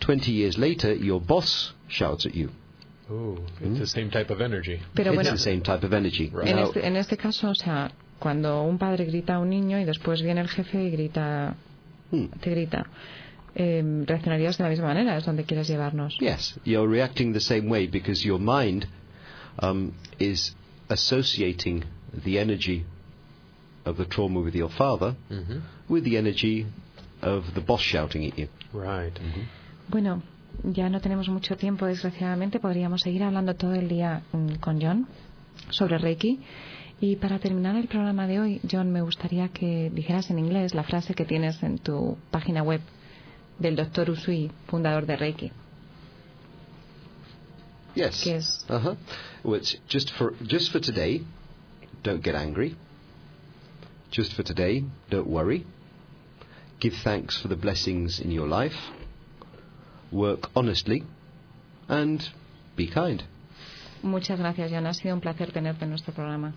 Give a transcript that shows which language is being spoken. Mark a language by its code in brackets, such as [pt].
[en] 20 years later, your boss shouts at you. Ooh, it's the same type of energy. [es] Pero [en] it's [es] bueno, [en] the same type of energy. Right. [es] En este caso, o sea, cuando un padre grita a un niño y después viene el jefe y grita... Te grita. ¿Reaccionarías de la misma manera? ¿Es donde quieres llevarnos? [en] Yes, you're reacting the same way because your mind is associating the energy of the trauma with your father mm-hmm. with the energy of the boss shouting at you. Right. [es] Mm-hmm. Bueno, ya no tenemos mucho tiempo, desgraciadamente. Podríamos seguir hablando todo el día con John sobre Reiki. Y para terminar el programa de hoy, John, me gustaría que dijeras en inglés la frase que tienes en tu página web del Dr. Usui, fundador de Reiki. [en] Yes. [es] ¿Qué es? Uh-huh. [en] Well, it's just for today, don't get angry. Just for today, don't worry. Give thanks for the blessings in your life. Work honestly and be kind. [es] Muchas gracias, John. Ha sido un placer tenerte en nuestro programa.